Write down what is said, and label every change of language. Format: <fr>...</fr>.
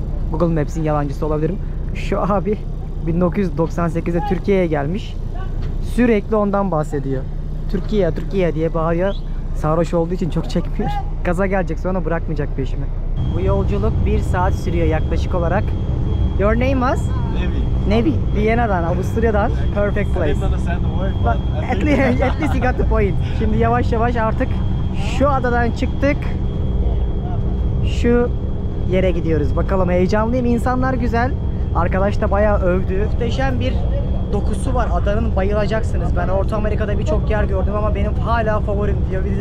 <tr>Google Maps'in yalancısı olabilirim. Şu abi 1998'de Türkiye'ye gelmiş. Sürekli ondan bahsediyor. Türkiye, Türkiye diye bağırıyor. Sarhoş olduğu için çok çekmiyor. Gaza gelecek sonra bırakmayacak peşimi. Bu yolculuk 1 saat sürüyor yaklaşık olarak.</tr> <en>Your name was? Nevi.</en> <tr>Viyana'dan, Avusturya'dan.</tr> <en>Perfect place. I didn't understand the word, but at least you got the point.</en> <tr>Şimdi yavaş yavaş artık şu adadan çıktık. Şu yere gidiyoruz. Bakalım heyecanlıyım. İnsanlar güzel. Arkadaş da bayağı övdü. Muhteşem bir dokusu var adanın. Bayılacaksınız. Ben Orta Amerika'da birçok yer gördüm ama benim hala favorim diyor.</tr>